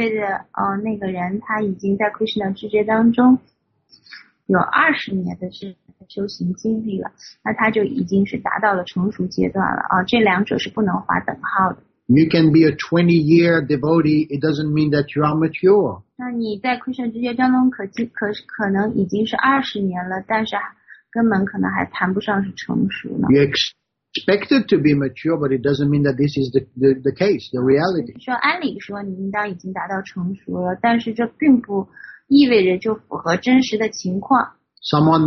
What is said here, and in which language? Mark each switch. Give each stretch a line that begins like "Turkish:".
Chinese: 并不意味着那个人他已经在 Krishna 知觉当中 有20年的修行经历了，那他就已经是达到了成熟阶段了，这两者是不能划等号的。
English: You can be a 20-year devotee, it doesn't mean that you are mature.
Chinese: 那你在 Krishna 知觉当中可能已经是20年了，但是根本可能还谈不上是成熟呢。
English: You're expected to be mature, but it doesn't mean that this is the case, the reality.
Chinese: 按理说你应当已经达到成熟了，但是这并不 意味着就符合真实的情况。
English: Someone